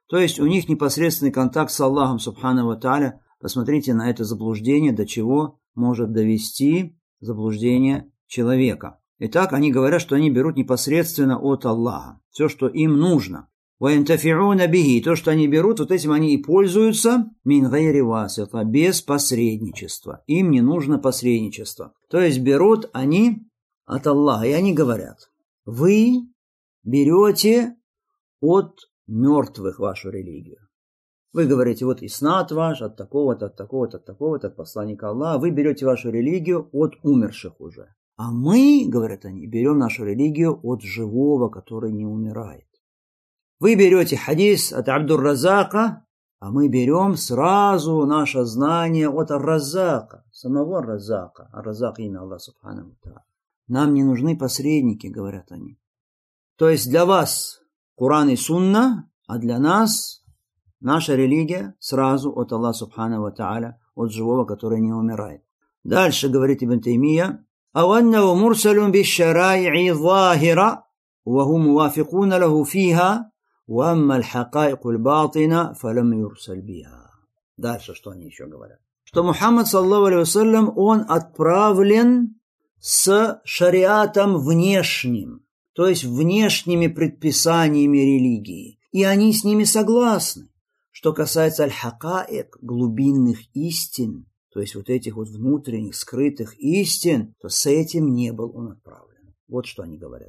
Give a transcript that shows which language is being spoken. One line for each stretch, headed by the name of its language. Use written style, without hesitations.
Russian: То есть у них непосредственный контакт с Аллахом, субхана ва тааля. Посмотрите на это заблуждение, до чего может довести заблуждение человека. Итак, они говорят, что они берут непосредственно от Аллаха все, что им нужно.
Arabic: وَيَنْتَفِعُونَ بِهِ
Russian: То, что они берут, вот этим они и пользуются.
Arabic: مِنْ غَيْرِ وَاسِطَ
Russian: Без посредничества. Им не нужно посредничество. То есть берут они от Аллаха. И они говорят, вы берете от мертвых вашу религию. Вы говорите, вот иснат ваш от такого-то, от такого-то, от такого-то, от посланника Аллаха. Вы берете вашу религию от умерших уже. А мы, говорят они, берем нашу религию от живого, который не умирает. Вы берете хадис от Абдур-Разака, а мы берем сразу наше знание от Ар-Разака, самого Ар-Разака. Ар-Разак имя Аллаха, субханаху ва тааля. Нам не нужны посредники, говорят они. То есть для вас Куран и Сунна, а для нас наша религия сразу от Аллаха Субханаху ва Тааля, от живого, который не умирает. Дальше говорит Ибн Таймия,
Arabic: أَوَنَّهُ مُرْسَلٌ بِالشَّرَائِعِ ظَاهِرَ وَهُمْ مُوَافِقُونَ لَهُ فِيهَا وَأَمَّا الْحَقَائِقُ الْبَاطِنَ فَلَمْ يُرْسَلْ بِهَا.
Russian: Дальше что они еще говорят? Что Мухаммад, саллаллаху алейхи ва саллям, он отправлен с шариатом внешним, то есть внешними предписаниями религии. И они с ними согласны. Что касается аль-хакаек, глубинных истин, то есть вот этих вот внутренних, скрытых истин, то с этим не был он отправлен. Вот что они говорят.